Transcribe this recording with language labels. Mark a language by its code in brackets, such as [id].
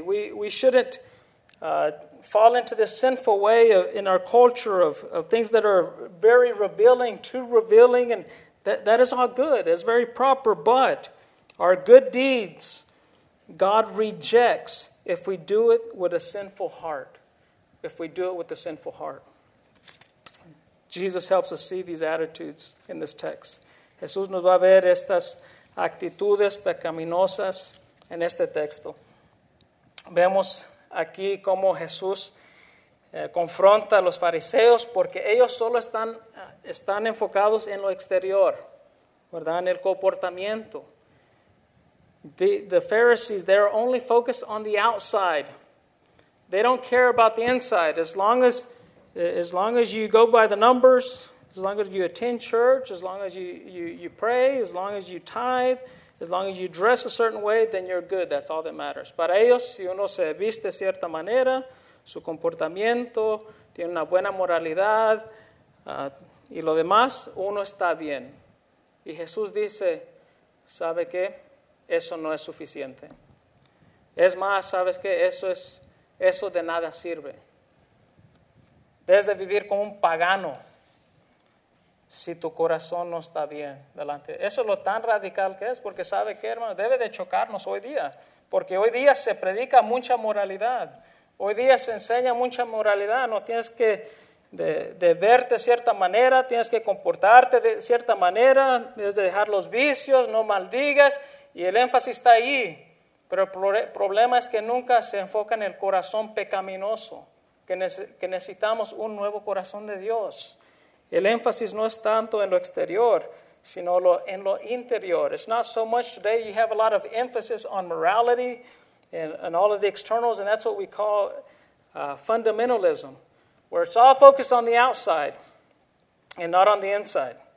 [en] We shouldn't fall into this sinful way in our culture of things that are very revealing, too revealing, and that is all good. It's very proper, but our good deeds, God rejects if we do it with a sinful heart. if we do it with a sinful heart. Jesus helps us see these attitudes in this text. [es] Jesús nos va a ver estas actitudes pecaminosas en este texto. Vemos aquí cómo Jesús confronta a los fariseos porque ellos solo están enfocados en lo exterior, ¿verdad? En el comportamiento. [en] The Pharisees, they're only focused on the outside. They don't care about the inside. As long as you go by the numbers, as long as you attend church, as long as you pray, as long as you tithe, as long as you dress a certain way, then you're good. That's all that matters. [es] Para ellos, si uno se viste de cierta manera, su comportamiento, tiene una buena moralidad, y lo demás, uno está bien. Y Jesús dice, ¿sabe qué? Eso no es suficiente. Es más, ¿sabes qué? Eso de nada sirve. Debes de vivir como un pagano si tu corazón no está bien delante. Eso es lo tan radical que es, porque ¿sabe qué, hermano? Debe de chocarnos hoy día, porque hoy día se predica mucha moralidad. Hoy día se enseña mucha moralidad. No tienes que de verte de cierta manera, tienes que comportarte de cierta manera, debes de dejar los vicios, no maldigas, y el énfasis está ahí. Pero el problema es que nunca se enfoca en el corazón pecaminoso, que necesitamos un nuevo corazón de Dios. El énfasis no es tanto en lo exterior, sino en lo interior. [en] It's not so much today you have a lot of emphasis on morality and all of the externals, and that's what we call fundamentalism, where it's all focused on the outside and not on the inside.